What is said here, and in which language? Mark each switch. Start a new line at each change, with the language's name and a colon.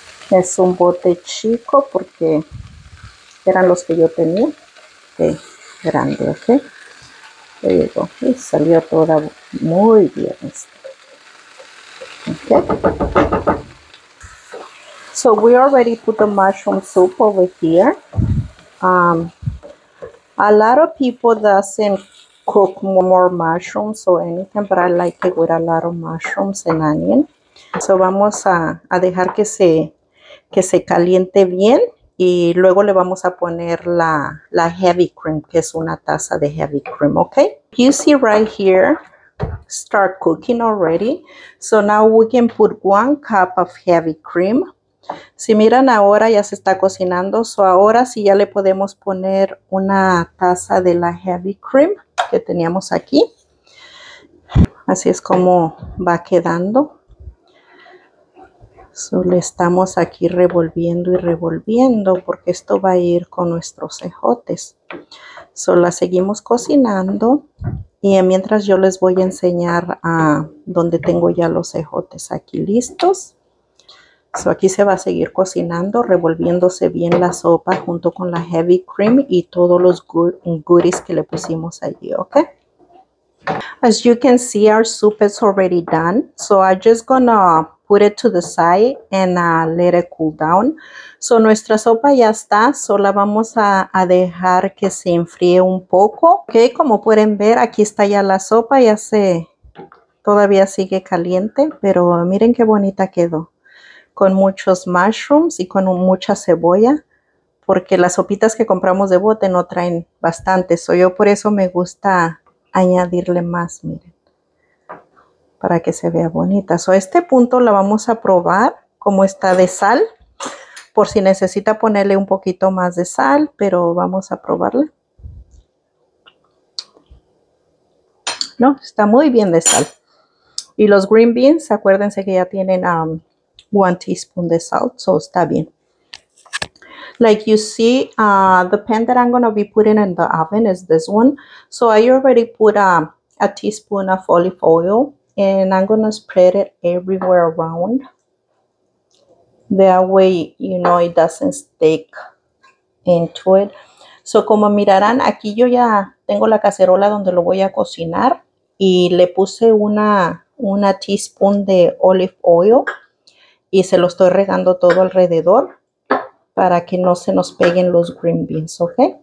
Spanish: Es un bote chico porque eran los que yo tenía. Okay, grande, ok. Le digo, y salió toda muy bien esto.
English: So we already put the mushroom soup over here. A lot of people doesn't cook more mushrooms or anything, but I like it with a lot of mushrooms and onion.
Spanish: So vamos a dejar que se caliente bien y luego le vamos a poner la heavy cream, que es una taza de heavy cream, okay?
English: You see right here, start cooking already. So now we can put 1 cup of heavy cream.
Spanish: Si miran ahora ya se está cocinando, so ahora sí ya le podemos poner una taza de la heavy cream que teníamos aquí. Así es como va quedando. So le estamos aquí revolviendo y revolviendo porque esto va a ir con nuestros ejotes. So la seguimos cocinando y mientras yo les voy a enseñar a dónde tengo ya los ejotes aquí listos. So aquí se va a seguir cocinando, revolviéndose bien la sopa junto con la heavy cream y todos los goodies que le pusimos allí, ¿ok? As you can see, our soup is already done. So I'm just gonna put it to the side and let it cool down. So nuestra sopa ya está, solo vamos a dejar que se enfríe un poco. Ok, como pueden ver, aquí está ya la sopa, ya se, todavía sigue caliente, pero miren qué bonita quedó. Con muchos mushrooms y con mucha cebolla, porque las sopitas que compramos de bote no traen bastante. Soy yo, por eso me gusta añadirle más, miren, para que se vea bonita. So, a este punto la vamos a probar como está de sal, por si necesita ponerle un poquito más de sal, pero vamos a probarla. No, está muy bien de sal. Y los green beans, acuérdense que ya tienen 1 teaspoon de sal, so está bien.
English: Like you see, the pan that I'm gonna be putting in the oven is this one. So I already put a teaspoon of olive oil and I'm gonna spread it everywhere around. That way, it doesn't stick into it.
Spanish: So como mirarán, aquí yo ya tengo la cacerola donde lo voy a cocinar y le puse una teaspoon de olive oil. Y se lo estoy regando todo alrededor para que no se nos peguen los green beans, ¿ok?